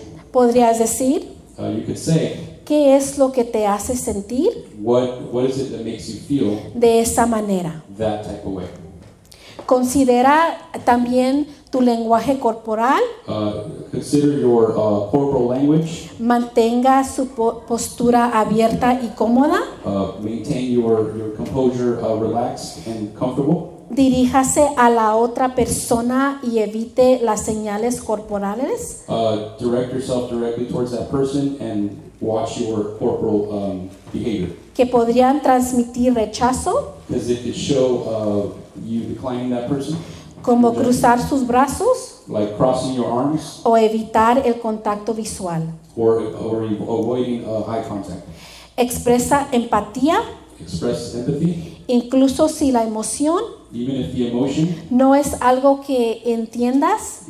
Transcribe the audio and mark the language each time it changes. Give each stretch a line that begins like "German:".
Spanish: Podrías decir, ¿qué es lo que te hace sentir
English: what is it that makes you feel
Spanish: de esa manera?
English: That type of way.
Spanish: Considera también tu lenguaje corporal.
English: Consider your corporal language.
Spanish: Mantenga su postura abierta y cómoda.
English: Maintain your composure, relaxed and comfortable.
Spanish: Diríjase a la otra persona y evite las señales corporales.
English: Direct yourself directly towards that person and watch your corporal behavior.
Spanish: Que podrían transmitir rechazo.
English: Because it could show you declining that person.
Spanish: Como cruzar sus brazos.
English: Like crossing your arms.
Spanish: O evitar el contacto visual.
English: Or avoiding eye contact.
Spanish: Expresa empatía.
English: Express empathy.
Spanish: Incluso si la emoción.
English: Even if the emotion.
Spanish: No es algo que entiendas.